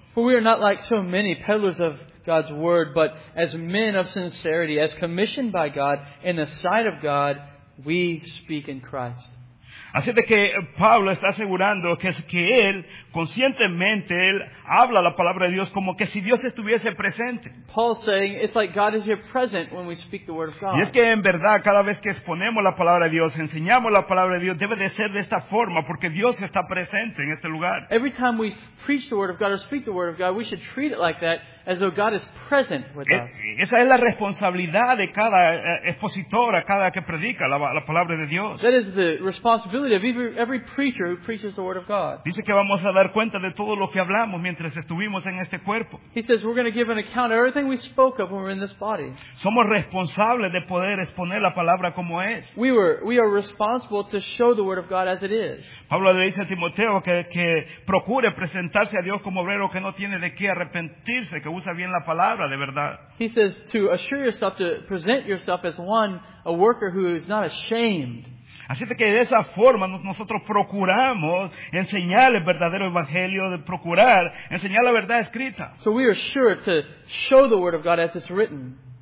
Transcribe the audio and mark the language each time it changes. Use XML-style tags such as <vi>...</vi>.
<en>For we are not like so many peddlers of God's word, but as men of sincerity, as commissioned by God, in the sight of God, we speak in Christ.</en> <es>Así de que Pablo está asegurando que él conscientemente él habla la palabra de Dios como que si Dios estuviese presente.</es> <en>Paul saying it's like God is here present when we speak the word of God.</en> <es>Y es que en verdad cada vez que exponemos la palabra de Dios, enseñamos la palabra de Dios, debe de ser de esta forma porque Dios está presente en este lugar.</es> <en>Every time we preach the word of God or speak the word of God, we should treat it like that, as though God is present with us.</en> <es>Esa es la responsabilidad de cada expositor, a cada que predica la palabra de Dios.</es> <en>That is the responsibility of every preacher who preaches the word of God.</en> <es>Dice que vamos a dar cuenta de todo lo que hablamos mientras estuvimos en este cuerpo.</es> <en>He says we're going to give an account of everything we spoke of when we were in this body.</en> <es>Somos responsables de poder exponer la palabra como es.</es> <en>We are responsible to show the word of God as it is.</en> <es>Pablo le dice a Timoteo que procure presentarse a Dios como obrero que no tiene de qué arrepentirse, que usa bien la palabra de verdad.</es> <en>He says to assure yourself, to present yourself as one, a worker who is not ashamed.</en> <es>Así que de esa forma nosotros procuramos enseñar el verdadero evangelio, de procurar enseñar la verdad escrita.</es> <en>So we are sure to show the word of God as it's written.</en>